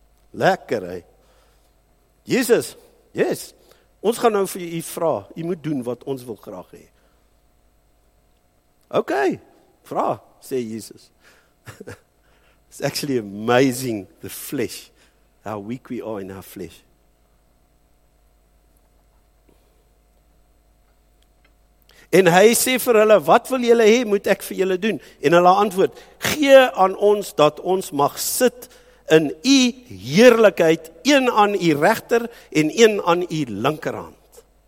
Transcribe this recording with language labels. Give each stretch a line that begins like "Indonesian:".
Afrikaans: Lekker, hè? Jesus, yes, ons gaan nou vir u vra, u moet doen wat ons wil graag hê. Oké, okay, vra, sê Jesus.
English: It's actually amazing, the flesh, how weak we are in our flesh.
Afrikaans: En hy sê vir hulle, wat wil julle hê, moet ek vir julle doen? En hulle antwoord, gee aan ons dat ons mag sit in u heerlikheid, een aan u regter en een aan u linkerhand.